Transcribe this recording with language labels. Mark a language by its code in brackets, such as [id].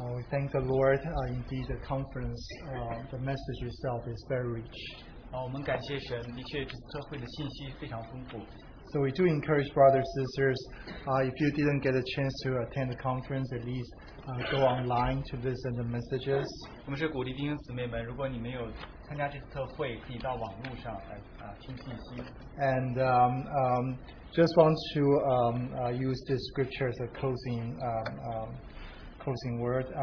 [en] Thank the Lord, indeed the conference, the message itself is very rich. [zh] 我们感谢神, 的确这次特会的信息非常丰富。 [en] So we do encourage brothers and sisters, if you didn't get a chance to attend the conference, at least go online to listen to messages. [zh] 我们是鼓励弟兄姊妹们, 如果你没有参加这次特会, 可以到网络上来听信息。 [en] And just want to use this scripture as a closing word.